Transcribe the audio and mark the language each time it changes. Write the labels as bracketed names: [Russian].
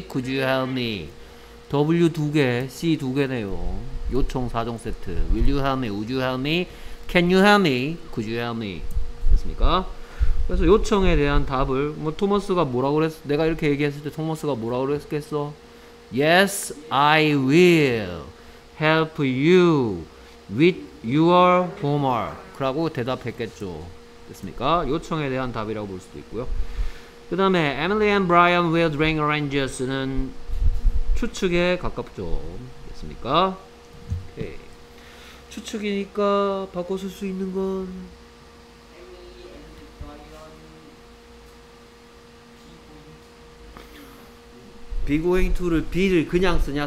[English] Could you help me? [Korean] W 두 개, C 두 개네요. 요청 4종 세트. [English] Will you help me? Would you help me? Can you help me? Could you help me? [Korean] 됐습니까? 그래서 요청에 대한 답을 뭐 토마스가 뭐라고 그랬어? 내가 이렇게 얘기했을 때 토마스가 뭐라고 그랬겠어? [English] Yes, I will help you with your homework. [Korean] 라고 대답했겠죠. 됐습니까? 요청에 대한 답이라고 볼 수도 있고요. 그 다음에 [English] Emily and Brian will drink orange juice [Korean] 는 추측에 가깝죠. 됐습니까? 오케이. 추측이니까 바꿔 쓸 수 있는 건 Be going to를 be를 그냥 쓰냐?